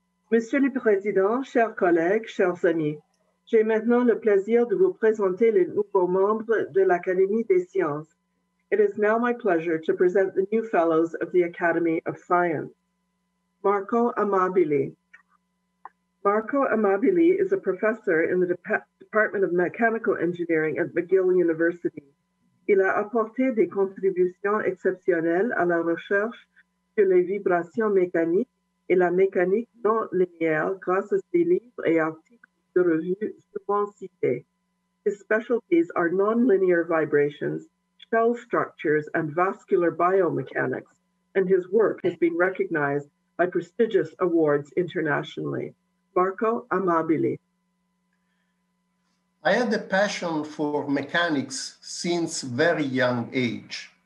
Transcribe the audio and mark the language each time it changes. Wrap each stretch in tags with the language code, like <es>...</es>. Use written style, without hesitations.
<fr>Monsieur le Président, chers collègues, chers amis, j'ai maintenant le plaisir de vous présenter les nouveaux membres de l'Académie des sciences.</fr> <en>It is now my pleasure to present the new fellows of the Academy of Science. Marco Amabili. Marco Amabili is a professor in the Department of Mechanical Engineering at McGill University.</en> <fr>Il a apporté des contributions exceptionnelles à la recherche sur les vibrations mécaniques et la mécanique non linéaire grâce à ses livres et articles de revues souvent cités.</fr> <en>His specialties are non-linear vibrations, shell structures, and vascular biomechanics, and his work has been recognized by prestigious awards internationally. Marco Amabili. I had a passion for mechanics since very young age.</en>